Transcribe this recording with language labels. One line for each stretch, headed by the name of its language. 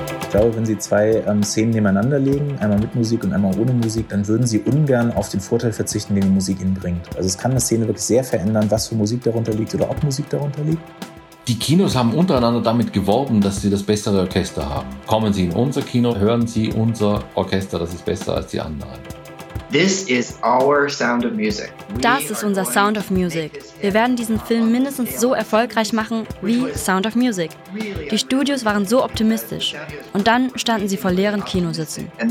German: glaube, wenn Sie zwei Szenen nebeneinander legen, einmal mit Musik und einmal ohne Musik, dann würden Sie ungern auf den Vorteil verzichten, den die Musik Ihnen bringt. Also es kann eine Szene wirklich sehr verändern, was für Musik darunter liegt oder ob Musik darunter liegt. Die Kinos haben untereinander damit geworben, dass sie das bessere Orchester haben. Kommen Sie in unser Kino, hören Sie unser Orchester, das ist besser als die anderen.
English: This is our Sound of Music.
German: Das ist unser Sound of Music. Wir werden diesen Film mindestens so erfolgreich machen wie Sound of Music. Die Studios waren so optimistisch. Und dann standen sie vor leeren Kinositzen.